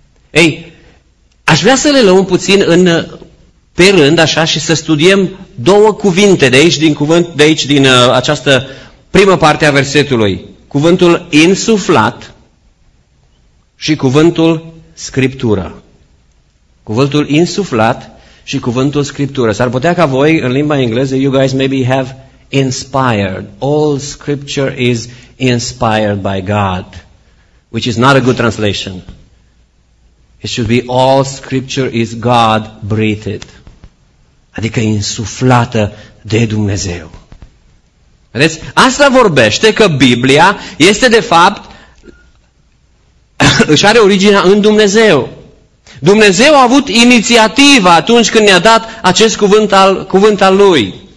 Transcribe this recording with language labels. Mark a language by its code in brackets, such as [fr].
[ro] Ei, aș vrea să le luăm puțin în pe rând, așa, și să studiem două cuvinte de aici, această primă parte a versetului. Cuvântul insuflat și cuvântul scriptură. Cuvântul insuflat și cuvântul scriptură. S-ar putea ca voi, în limba engleză, [en] you guys maybe have inspired. All scripture is inspired by God, which is not a good translation. It should be all scripture is God breathed. [ro] Adică insuflată de Dumnezeu. Vedeți? Asta vorbește că Biblia este de fapt, își are originea în Dumnezeu. Dumnezeu a avut inițiativa atunci când ne-a dat acest cuvânt al Lui.